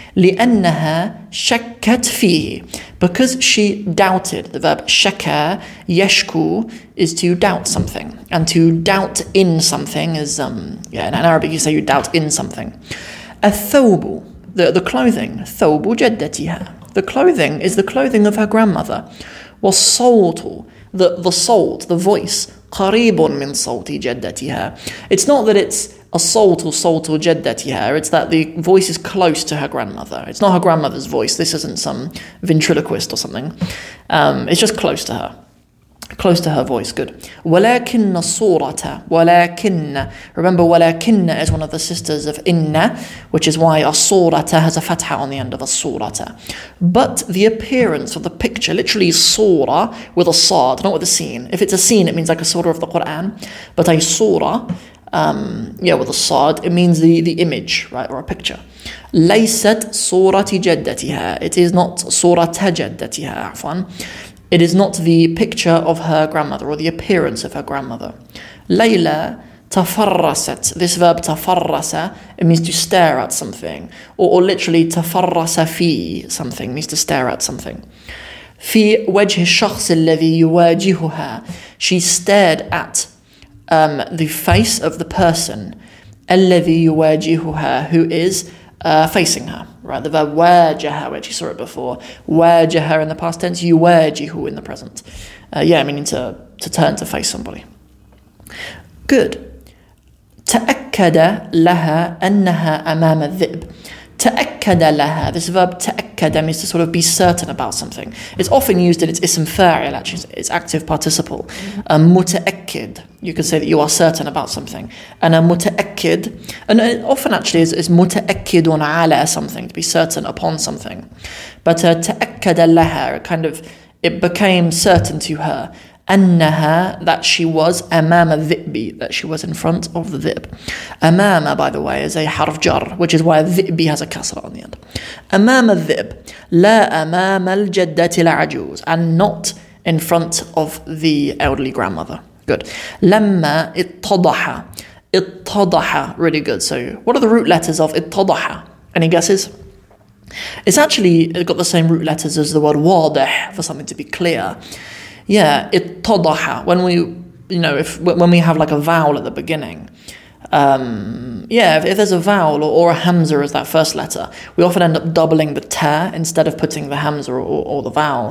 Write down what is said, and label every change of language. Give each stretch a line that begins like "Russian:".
Arabic: لأنها شكت فيه.
English: Because she doubted. The verb شكا, يشكو, is to doubt something. And to doubt in something is, in Arabic you say you doubt in something.
Arabic: الثوب.
English: The clothing,
Arabic: ثوب جدتها.
English: The clothing is the clothing of her grandmother.
Arabic: والصوت,
English: the salt, the voice,
Arabic: قريب من صوت جدتها.
English: It's not that it's a salt or جدتها, it's that the voice is close to her grandmother. It's not her grandmother's voice, this isn't some ventriloquist or something. It's just close to her. Close to her voice, good.
Arabic: ولكن صورة, ولكن.
English: Remember, ولكن is one of the sisters of إن, which is why الصورة has a fatha on the end of الصورة. But the appearance of the picture, literally صورة with a صاد, not with a seen. If it's a seen, it means like a صورة of the Qur'an. But a صورة, with a صاد, it means the image, right, or a picture.
Arabic: ليست صورة جدتها.
English: It is not
Arabic: صورة جدتها, عفواً.
English: It is not the picture of her grandmother or the appearance of her grandmother.
Arabic: ليلى تفرست.
English: This verb تفرس, it means to stare at something. Or literally تفرس في something, means to stare at something.
Arabic: في وجه الشخص الذي يواجهها.
English: She stared at the face of the person.
Arabic: الذي يواجهها,
English: who is facing her. Right, the verb واجهها, which you saw it before. واجهها in the past tense, يواجهه in the present. Meaning to turn, to face somebody. Good.
Arabic: تأكد لها أنها أمام الذئب. تأكد لها.
English: This verb تأكد means to sort of be certain about something. It's often used in its ism فاعل, actually, its active participle.
Arabic: متأكد.
English: You can say that you are certain about something.
Arabic: أنا متأكد.
English: And it often actually is متأكد على something, to be certain upon something. But تأكد لها, it became certain to her. أنها, that she was أمام الذئب, that she was in front of the ذئب. أمام, by the way, is a حرف جر, which is why الذئب has a كسرة on the end.
Arabic: أمام الذئب, لا أمام الجدة العجوز,
English: and not in front of the elderly grandmother. Good.
Arabic: لما اتضح, اتضح,
English: really good. So what are the root letters of اتضح? Any guesses? It's actually got the same root letters as the word واضح, for something to be clear. Yeah, اتضح. When we, when we have like a vowel at the beginning, if there's a vowel or a hamza as that first letter, we often end up doubling the ta instead of putting the hamza or the vowel.